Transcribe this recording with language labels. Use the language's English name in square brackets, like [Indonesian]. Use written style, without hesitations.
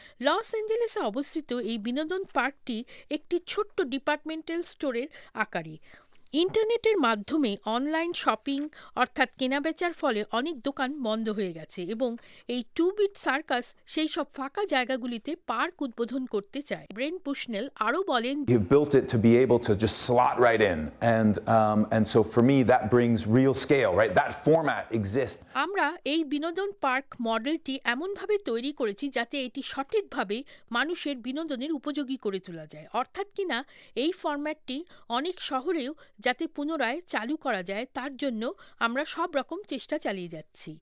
[Bangla] Loss অ্যাঞ্জেলেসে অবস্থিত এই বিনোদন পার্কটি একটি ছোট্ট ডিপার্টমেন্টাল স্টোরের আকারে। ইন্টারনেটের মাধ্যমে অনলাইন শপিং অর্থাৎ কেনাবেচার ফলে অনেক দোকান বন্ধ হয়ে গেছে এবং এই টুবিট সার্কাস সেই সব ফাঁকা জায়গাগুলিতে পার্ক উদ্বোধন করতে চায়। ব্রেন পুশনেল আরো বলেন, [English] "You built it to be able to just slot right in and so for me that brings real scale, right? That format exists." [Bangla] আমরা এই বিনোদন পার্ক মডেলটি এমন ভাবে তৈরি করেছি যাতে এটি সঠিকভাবে মানুষের বিনোদনের উপযোগী করে তোলা যায়, অর্থাৎ কিনা এই ফরম্যাটটি অনেক শহরেও যাতে পুনরায় চালু করা যায় তার জন্য আমরা সব রকম চেষ্টা চালিয়ে যাচ্ছি।